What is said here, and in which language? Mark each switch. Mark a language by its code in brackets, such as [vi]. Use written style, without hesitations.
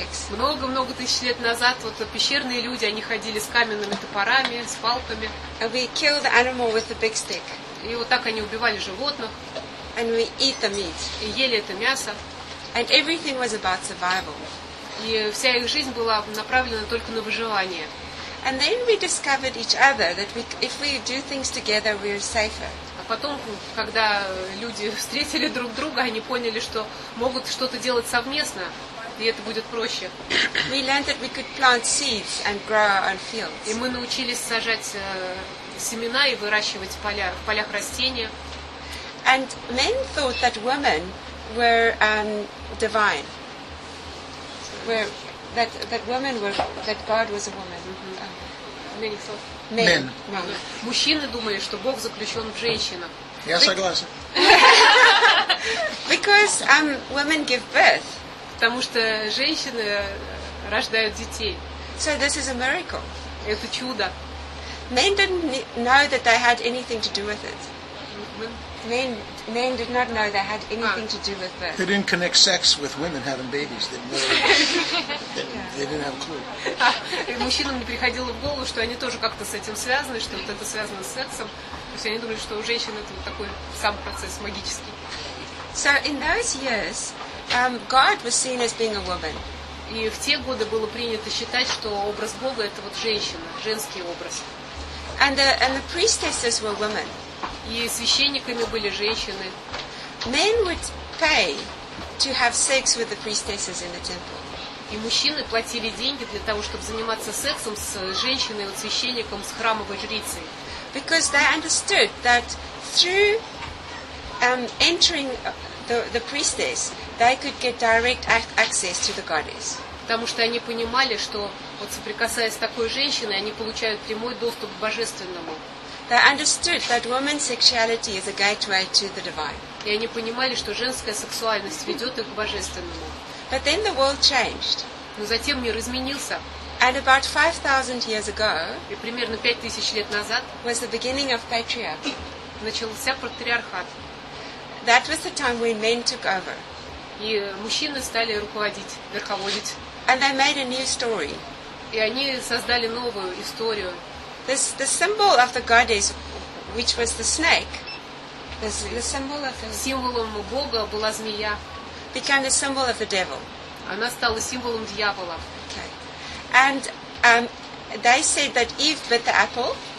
[ru] Много-много тысяч лет назад вот пещерные люди, они ходили с каменными топорами, с палками. [en] And we killed the animal with a big stick. [ru] И вот так они убивали животных. [en] And we eat the meat. [ru] И ели это мясо. [en] And everything was about survival. [ru] И вся их жизнь была направлена только на выживание. [en] And then we discovered each other that we, if we do things together, we are safer. [ru] Потом, когда люди встретили друг друга, они поняли, что могут что-то делать совместно, и это будет проще. [en] We learned that we could plant seeds and grow our own fields. [ru] И мы научились сажать семена и выращивать поля, в полях растения. [en] And men thought that women were divine. That God was a woman. Men. [ru] Мужчины думали, что Бог заключен в женщинах. Я согласен. [en] Because women give birth. [ru] Потому что женщины рождают детей. [en] So this is a miracle. [ru] Это чудо. [en] Men didn't know that they had anything to do with it. Men did not know they had anything to do with birth. They didn't connect sex with women having babies. They didn't have a clue. [ru] И мужчинам не приходило в голову, что они тоже как-то с этим связаны, что вот это связано с сексом. То есть они думали, что у женщин это вот такой сам процесс магический. [en] So in those years, God was seen as being a woman. [ru] И в те годы было принято считать, что образ Бога это вот женщина, женский образ. [en] And the priestesses were women. [ru] И священниками были женщины. [en] Men would pay to have sex with the priestesses in the temple. [ru] И мужчины платили деньги для того, чтобы заниматься сексом с женщиной, вот, священником, с храмовой жрицей. [en] Because they understood that through entering the priestess, they could get direct access to the goddess. [ru] Потому что они понимали, что вот соприкасаясь с такой женщиной, они получают прямой доступ к божественному. [en] They understood that woman's sexuality is a gateway to the divine. [ru] И они понимали, что женская сексуальность ведет их к божественному. [en] But then the world changed. [ru] Но затем мир изменился. [en] And about 5,000 years ago, [ru] и примерно 5,000 лет назад, [en] was the beginning of patriarchy. [ru] начался патриархат. [en] That was the time when men took over. [ru] И мужчины стали руководить, верховодить. [en] And they made a new story. [ru] И они создали новую историю. [en] The symbol of the goddess, which was the snake, the symbol of the... [ru] символом бога была змея. [en] Became the symbol of the devil. [ru] Она стала символом дьявола. [en] Okay. And they said that Eve bit the apple.